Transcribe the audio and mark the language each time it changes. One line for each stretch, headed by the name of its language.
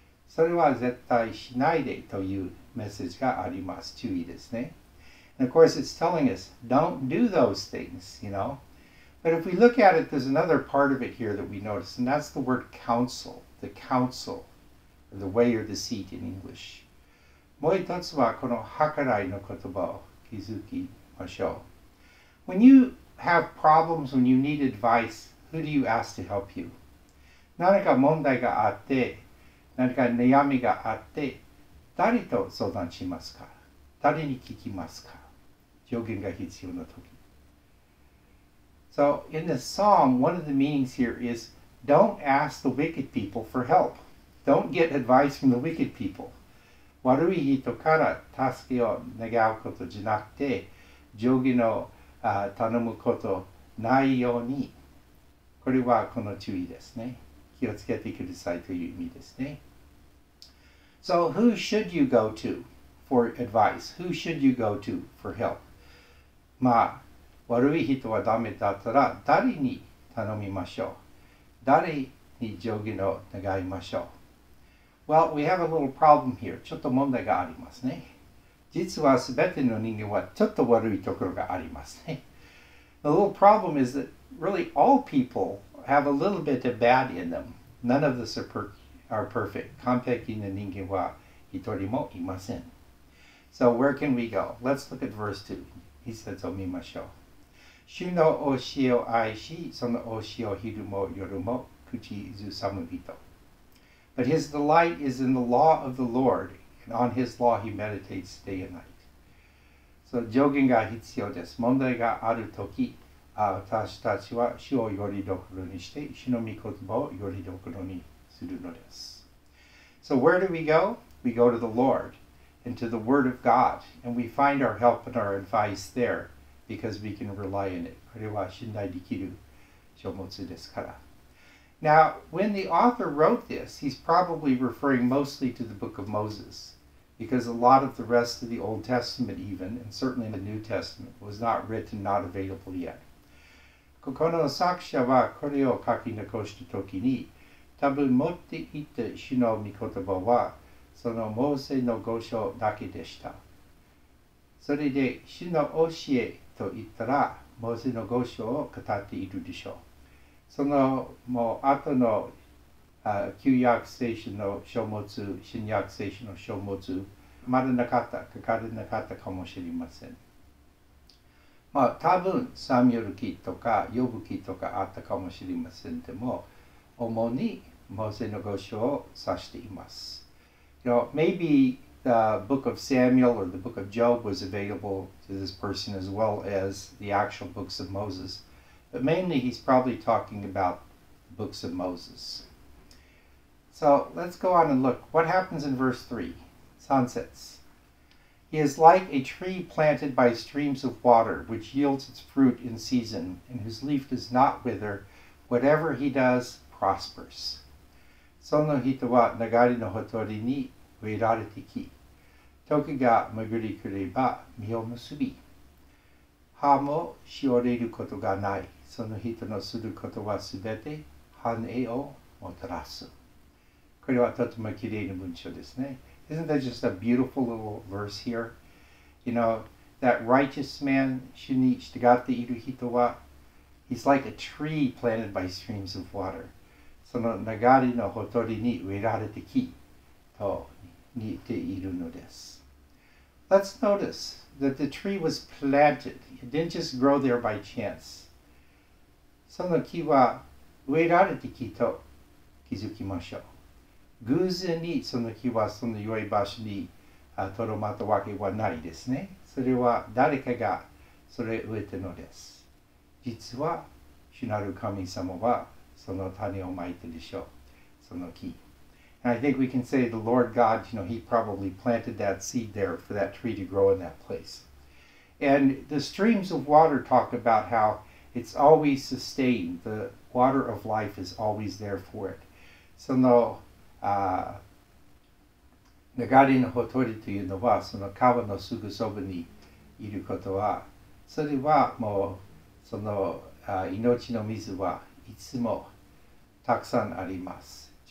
Japanese: それは絶対しないでというメッセージがあります。注意ですね。
English: And of course, it's telling us, don't do those things, you know. But if we look at it, there's another part of it here that we notice, and that's the word counsel, the way or the seat in English.
Japanese: もう一つはこの計らいの言葉を気づきましょう。
English: When you... have problems, when you need advice, who do you ask to help you?
Japanese: 何か問題があって、何か悩みがあって、誰と相談しますか？誰に聞きますか？助言が必要な時。
English: So, in this psalm, one of the meanings here is, don't ask the wicked people for help. Don't get advice from the wicked people.
Japanese: 悪い人から助けを願うことじゃなくて、助言を頼むことないように。これはこの注意ですね。気をつけてくださいという意味ですね。
English: So who should you go to for advice? Who should you go to for help?
Japanese: まあ、悪い人はダメだったら誰に頼みましょう？誰に助言を願いましょう？
English: Well, we have a little problem here.
Japanese: ちょっと問題がありますね。実は全ての人間はちょっと悪いところがありますね。
English: The little problem is that really all people have a little bit of bad in them. None of us are perfect.
Japanese: 完璧な人間は一人もいません。
English: So where can we go? Let's look at verse 2.
Japanese: 一節を見ましょう。主の教えを愛し、その教えを昼も夜も口ずさむ人。
English: But his delight is in the law of the Lord, and on his law he meditates day and night. So
Japanese: 助言が必要です。問題があるとき、私たちは主をよりどころにして、主の御言葉をよりどころにするのです。
English: So where do we go? We go to the Lord and to the Word of God, and we find our help and our advice there. Because we can rely on it.
Japanese: これは信頼できる書物ですから。
English: Now, when the author wrote this, he's probably referring mostly to the book of Moses, because a lot of the rest of the Old Testament even, and certainly the New Testament, was not written, not available yet.
Japanese: ここの作者はこれを書き残したときに、多分持っていた主の御言葉は、そのモーセの御書だけでした。それで主の教えと言ったらモーセの御書を語っているでしょう。そのもう後の旧約聖書の書物、新約聖書の書物まだなかった、書かれなかったかもしれません。まあ多分サミュエル記とかヨブ記とかあったかもしれませんでも、主にモーセの御書を指しています。
English: You know, maybe the book of Samuel or the book of Job was available. This person as well as the actual books of Moses. But mainly he's probably talking about the books of Moses. So let's go on and look. What happens in verse 3? Sunsets. He is like a tree planted by streams of water, which yields its fruit in season, and whose leaf does not wither. Whatever he does prospers.
Japanese: その人は流れのほとりに植えられてき。時が巡り来れば実を結び。葉もしおれることがない。その人のすることはすべて繁栄をもたらす。これはとてもきれいな文章ですね。
English: Isn't that just a beautiful little verse here? You know, that righteous man,
Japanese: 主に従っている人は、
English: he's like a tree planted by streams of water.
Japanese: その流れのほとりに植えられてきと。似ているのです。 Let's notice that the tree was planted. It didn't just grow there by chance. その木は植えられた木と気づきましょう。偶然にその木はその良い場所にとどまったわけはないですね。それは誰かがそれ植えたのです。実は主なる神様はその種をまいたでしょう。その木。
English: And I think we can say the Lord God, you know, he probably planted that seed there for that tree to grow in that place. And the streams of water talk about how it's always sustained. The water of life is always there for it.
Japanese: その、流れのほとりというのは、その川のすぐそばにいることは、それはもう、その、命の水はいつもたくさんあります。